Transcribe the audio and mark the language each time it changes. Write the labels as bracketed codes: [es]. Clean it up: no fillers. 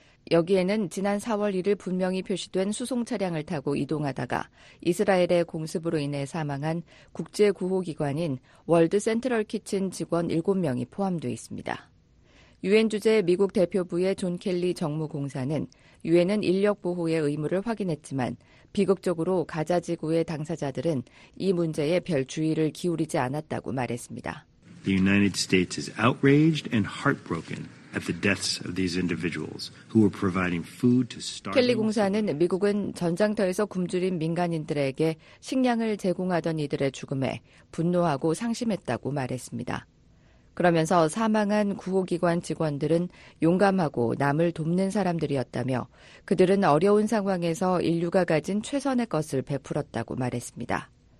[ko] 여기에는 지난 4월 1일 분명히 표시된 수송 차량을 타고 이동하다가 이스라엘의 공습으로 인해 사망한 국제구호기관인 월드 센트럴 키친 직원 7명이 포함되어 있습니다. 유엔 주재 미국 대표부의 존 켈리 정무공사는 유엔은 인력 보호의 의무를 확인했지만 비극적으로 가자 지구의 당사자들은 이 문제에 별 주의를 기울이지 않았다고 말했습니다. [en] The United States is outraged and heartbroken at the deaths of these individuals who were providing food to starving. [ko] 켈리 공사는 미국은 전장터에서 굶주린 민간인들에게 식량을 제공하던 이들의 죽음에 분노하고 상심했다고 말했습니다. 그러면서 사망한 구호기관 직원들은 용감하고 남을 돕는 사람들이었다며 그들은 어려운 상황에서 인류가 가진 최선의 것을 베풀었다고 말했습니다.